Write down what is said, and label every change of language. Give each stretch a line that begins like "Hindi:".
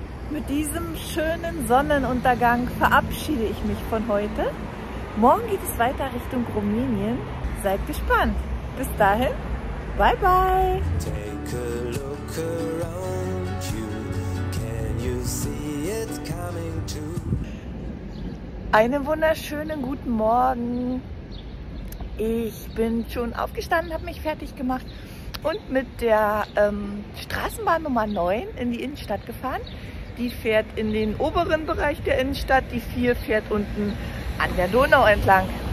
German: Mit diesem schönen Sonnenuntergang verabschiede ich mich von heute. Morgen geht es weiter Richtung Rumänien. Seid gespannt. Bis dahin, bye bye.
English: Take a look around you. Can you see? it's coming to.
German: Einen wunderschönen guten Morgen. Ich bin schon aufgestanden, habe mich fertig gemacht und mit der Straßenbahn Nummer 9 in die Innenstadt gefahren. Die fährt in den oberen Bereich der Innenstadt, die 4 fährt unten an der Donau entlang.